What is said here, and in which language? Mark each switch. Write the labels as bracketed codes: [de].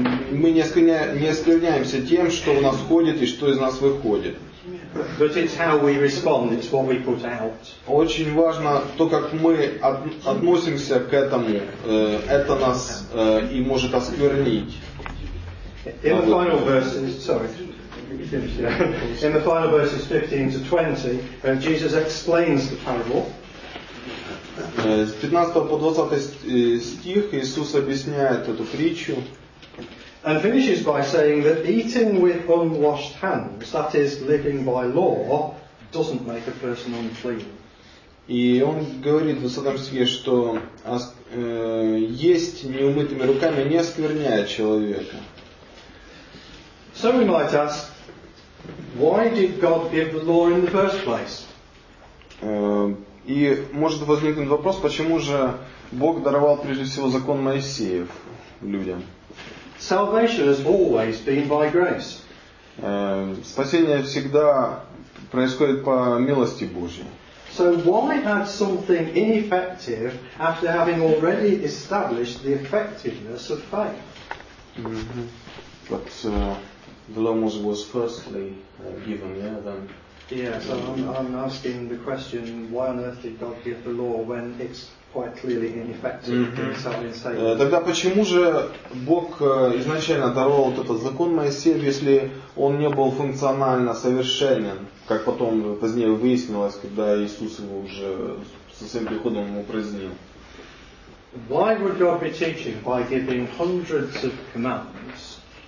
[ru] мы не склоняемся тем, что у нас входит и что из нас выходит. [en] But it's how we respond, it's what we put out. [ru] Очень важно то, как мы относимся к этому, это нас и может осквернить. [en] In the final verses, sorry. In the final verses 15 to 20, when Jesus explains the parable. [ru] С 15 по 20 стих Иисус объясняет эту притчу. [en] And finishes by saying that eating with unwashed hands, that is living by law, doesn't make a person unclean. [ru] И он говорит в 20 стихе, что есть неумытыми руками не оскверняет человека. [en] So we might ask, why did God give the law in the first place? [ru] И может возникнуть вопрос, почему же Бог даровал прежде всего закон Моисеев людям? [en] Salvation has always been by grace. [ru] Спасение всегда происходит по милости Божьей. [en] So why add something ineffective after having already established the effectiveness of faith? But the law was firstly given, yeah, then. Yeah, so I'm asking the question, why on earth did God give the law when it's quite clearly ineffective in salvation? [ru] Тогда почему же Бог изначально даровал вот этот закон Моисею, если он не был функционально совершенен, как потом позднее выяснилось, когда Иисус его уже со своим приходом упразднил? [en] Why would God be teaching by giving hundreds of commandments?